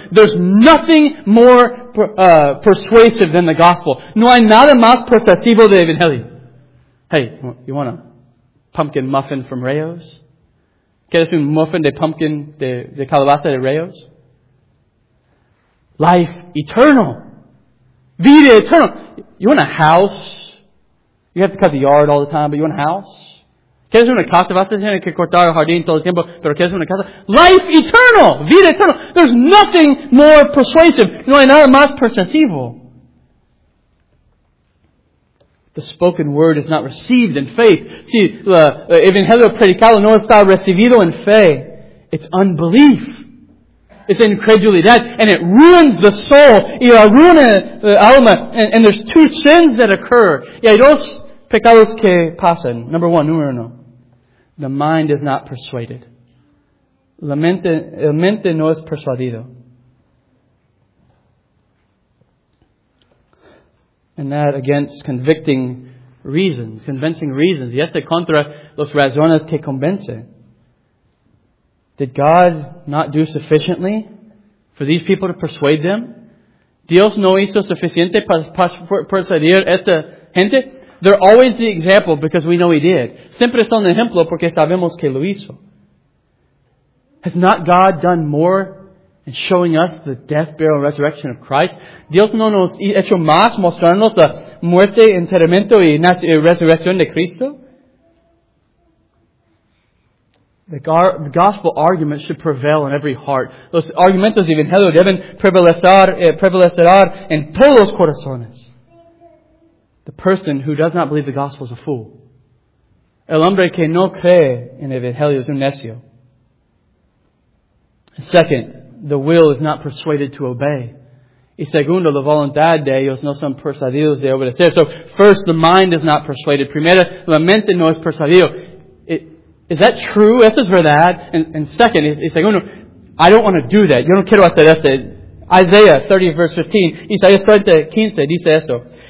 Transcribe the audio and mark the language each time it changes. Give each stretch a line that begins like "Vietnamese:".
English: There's nothing more persuasive than the gospel.
Spanish: No hay nada más persuasivo de Evangelio.
English: Hey, you want a pumpkin muffin from Rao's?
Spanish: ¿Quieres un muffin de pumpkin de calabaza de Rao's?
English: Life eternal.
Spanish: Vida eternal.
English: You want a house? You have to cut the yard all the time, but you want a house?
Spanish: ¿Quieres una casa? Vas a tener que cortar el jardín todo el tiempo, pero ¿quieres una casa?
English: Life eternal.
Spanish: Vida eternal.
English: There's nothing more persuasive.
Spanish: No hay nada más persuasivo.
English: The spoken word is not received in faith.
Spanish: Si, el evangelio predicado no está recibido en fe.
English: It's unbelief. It's incredulidad. And it ruins the soul.
Spanish: Y arruina el alma.
English: And there's two sins that occur.
Spanish: Y hay dos pecados que pasan.
English: Number one,
Spanish: número uno.
English: The mind is not persuaded.
Spanish: La mente no es persuadido.
English: And that against convicting reasons, convincing reasons.
Spanish: Y este contra los razones que convence.
English: Did God not do sufficiently for these people to persuade them?
Spanish: Dios no hizo suficiente para persuadir esta gente?
English: They're always the example because we know He did.
Spanish: Siempre son ejemplo porque sabemos que lo hizo.
English: Has not God done more in showing us the death, burial, and resurrection of Christ?
Spanish: Dios no nos ha hecho más mostrarnos la muerte, enterramiento y resurrección de Cristo?
English: The gospel argument should prevail in every heart.
Spanish: Los argumentos de Evangelio deben prevalecer en todos los corazones.
English: The person who does not believe the gospel is a fool.
Spanish: El hombre que no cree en Evangelio es un necio.
English: Second, the will is not persuaded to obey.
Spanish: Y segundo, la voluntad de ellos no son persuadidos de obedecer.
English: So first, the mind is not persuaded.
Spanish: Primero, la mente no es persuadido.
English: Is that true?
Spanish: Eso es verdad.
English: And second, it's like, I don't want to do that.
Spanish: Yo no quiero hacer eso.
English: Isaiah 30, verse 15. Isaiah 30, 15
Spanish: dice esto.